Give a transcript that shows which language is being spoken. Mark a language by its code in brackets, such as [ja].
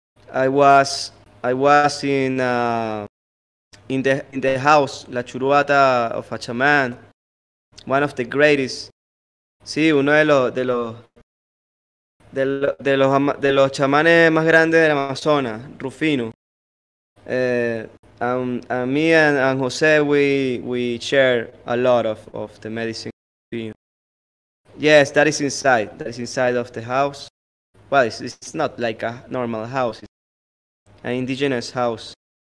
[en] I was in the house, La Churuata of a Chaman, one of the greatest. [es] Sí, uno de los chamanes más grandes del Amazonas, Rufino. [en] Me and José, we share a lot of the medicine. Yes, that is inside. That is inside of the house. Well, it's not like a normal house. It's an indigenous house.